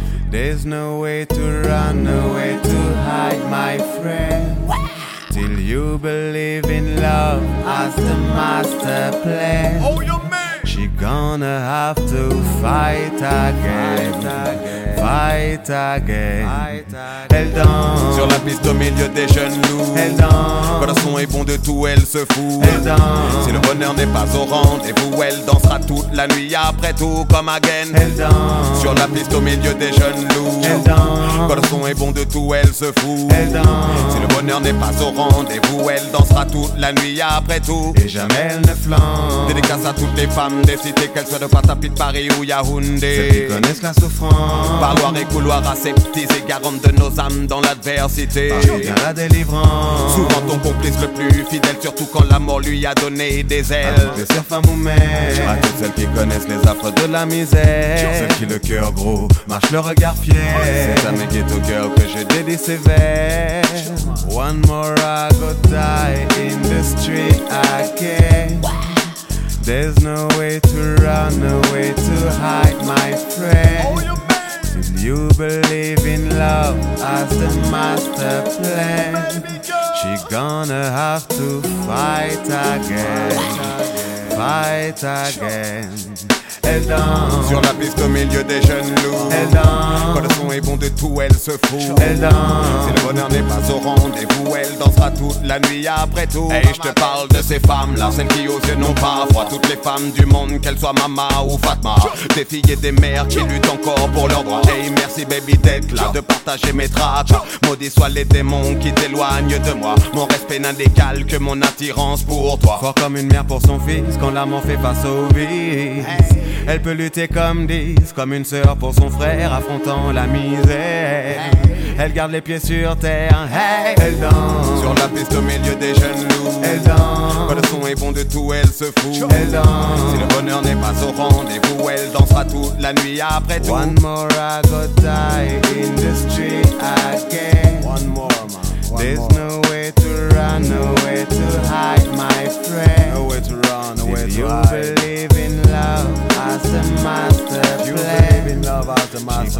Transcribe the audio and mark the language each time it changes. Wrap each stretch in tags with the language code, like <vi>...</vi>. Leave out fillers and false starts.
<en>There's no way to run, no way to hide, my friend. Till you believe in love as the master plan. She gonna have to fight again. Fight again.</en> <fr>Elle danse sur la piste au milieu des jeunes loups. Elle danse. Quand le son est bon de tout, elle se fout. Elle danse. Si le bonheur n'est pas au rendez-vous, elle dansera toute la nuit après tout comme again. Elle danse sur la piste au milieu des jeunes loups. Elle danse. Quand le son est bon de tout, elle se fout. Elle danse. Si le bonheur n'est pas au rendez-vous, elle dansera toute la nuit après tout. Et jamais elle ne flanche. Dédicace à toutes les femmes des cités, qu'elles soient de Patapi, de Paris ou Yaoundé. Ceux qui connaissent la souffrance. Parloir et couloir aseptisés, garantes de nos âmes dans l'adversité. Parvient la délivrance. Souvent ton complice le plus fidèle, surtout quand l'amour lui a donné des ailes. À toutes les femmes ou mères, à toutes celles qui connaissent les affres de la misère. Sur celles qui le cœur gros marche le regard fier. C'est à mes guettes au cœur que je dédie ces vers.</fr> <en>One more I got die in the street again. There's no way to run, no way to hide, my friend. You believe in love as the master plan. She gonna have to fight again, fight again.</en> <fr>Elle danse sur la piste au milieu des jeunes loups. Elle danse. Quand le son est bon de tout, elle se fout. Elle danse. Si le bonheur n'est pas au rendez-vous, elle dansera toute la nuit après tout. Et je te parle de ces femmes-là, celles qui aux yeux n'ont pas froid. Toutes les femmes du monde, qu'elles soient Mama ou Fatma. Des filles et des mères qui luttent encore pour leurs droits. Hey, merci baby d'être là, de partager mes tracts. Maudits soient les démons qui t'éloignent de moi. Mon respect n'a d'égal que mon attirance pour toi. Fort comme une mère pour son fils, quand l'amour fait face au vice. Elle peut lutter comme 10, comme une sœur pour son frère, affrontant la misère. Elle garde les pieds sur terre, hey. Elle danse sur la piste au milieu des jeunes loups. Elle danse. Quand le son est bon de tout, elle se fout. Elle danse. Si le bonheur n'est pas au rendez-vous, elle dansera toute la nuit après tout.</fr> <en>One more I got die in the street again. One more, man. One There's more. No way to run, no way to hide, my friend. No way to run, no way If to you hide. Believe in love as the master plan. You believe in love as the master</en>